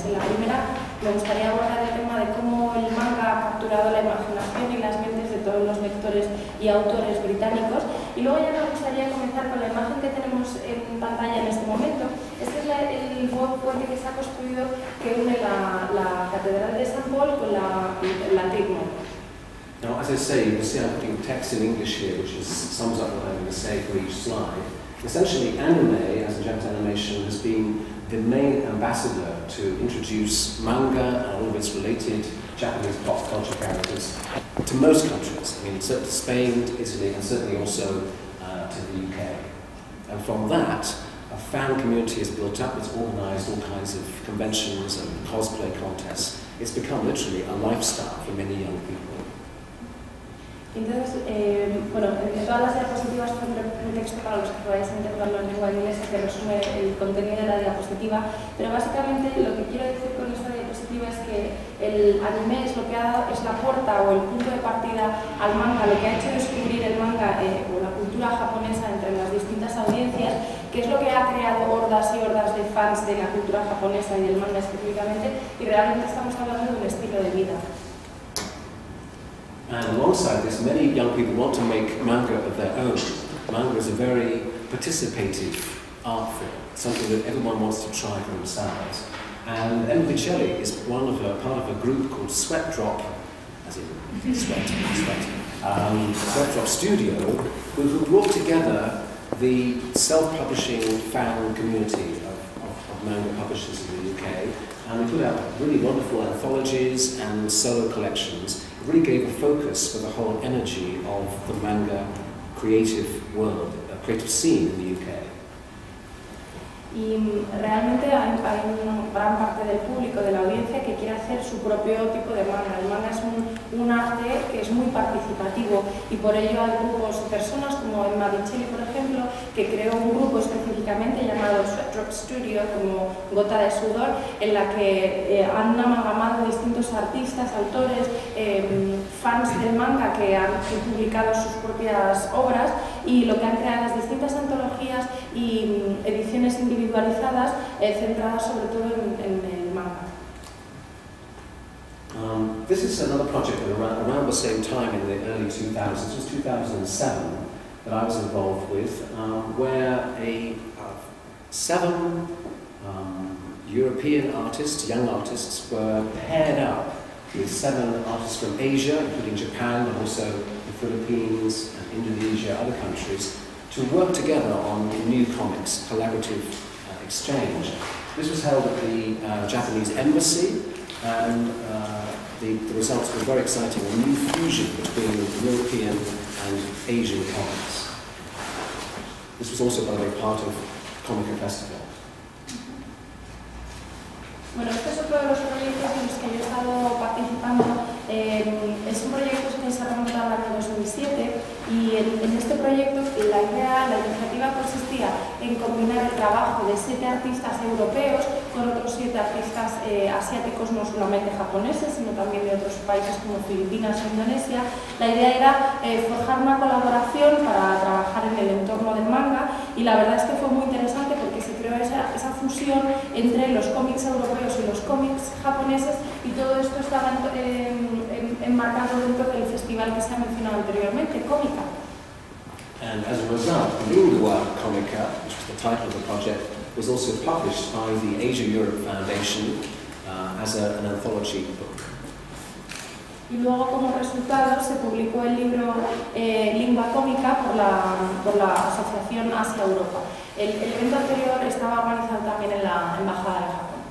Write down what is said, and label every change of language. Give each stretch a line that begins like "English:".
Spanish: En la primera, me gustaría abordar el tema de cómo el manga ha capturado la imaginación y las mentes de todos los lectores y autores británicos. Y luego ya me gustaría comenzar con la imagen que tenemos en pantalla en este momento. Este es el puente que se ha construido que une la Catedral de St. Paul con la Tate Modern.
English: Now, as I say, you can see I'm putting text in English here, which is, sums up what I'm going to say for each slide. Essentially, anime, as a Japanese animation, has been the main ambassador to introduce manga and all of its related Japanese pop culture characters to most countries. I mean, certainly to Spain, Italy, and certainly also to the UK. And from that, a fan community has built up. It's organized all kinds of conventions and cosplay contests. It's become literally a lifestyle for many young people.
Spanish: Entonces, bueno, entre todas las diapositivas tengo un texto para los que podáis entenderlo en lengua inglesa que resume el contenido de la diapositiva, pero básicamente lo que quiero decir con esta diapositiva es que el anime es lo que ha dado, es la puerta o el punto de partida al manga, lo que ha hecho descubrir el manga o la cultura japonesa entre las distintas audiencias, que es lo que ha creado hordas y hordas de fans de la cultura japonesa y del manga específicamente, y realmente estamos hablando de un estilo de vida.
English: And alongside this, many young people want to make manga of their own. Manga is a very participative art form, something that everyone wants to try for themselves. And Emma Vicelli is part of a group called Sweat Drop, as in Sweat Drop Studio, who brought together the self-publishing fan community of manga publishers in the UK. And we put out really wonderful anthologies and solo collections. It really gave a focus for the whole energy of the manga creative world, a creative scene in the UK.
Spanish: Y realmente hay una gran parte del público, de la audiencia, que quiere hacer su propio tipo de manga. El manga es un arte que es muy participativo y por ello hay grupos y personas, como Emma Vicelli, por ejemplo, que creó un grupo específicamente llamado Sweat Drop Studio, como Gota de Sudor, en la que han amalgamado distintos artistas, autores, fans del manga que han publicado sus propias obras, y lo que han creado es distintas antologías y ediciones individualizadas, centradas sobre todo en el manga.
English: This is another project that around the same time in the early 2000s, it was 2007, that I was involved with, where a seven European artists, young artists, were paired up with seven artists from Asia, including Japan, but also the Philippines, and Indonesia, other countries, to work together on the new comics, collaborative exchange. This was held at the Japanese embassy, and the results were very exciting, a new fusion between European and Asian comics. This was also, by the way, part of Comic Con Festival.
Spanish: Bueno, este es otro de los proyectos en los que yo he estado participando. Es un proyecto que se ha remontado al año 2007 y en este proyecto la iniciativa consistía en combinar el trabajo de siete artistas europeos con otros siete artistas asiáticos, no solamente japoneses, sino también de otros países como Filipinas o Indonesia. La idea era forjar una colaboración para trabajar en el entorno del manga y la verdad es que fue muy interesante porque se creó esa fusión entre los cómics europeos y los cómics japoneses y todo esto estaba enmarcado dentro del festival que se ha mencionado anteriormente, Comica.
English: And as a result, Lingua Comica, which was the title of the project, was also published by the Asia Europe Foundation as an anthology book.
Spanish: Y luego, como resultado, se publicó el libro Lingua Comica por la Asociación Asia Europa. El evento anterior estaba organizado también en la Embajada de Japón.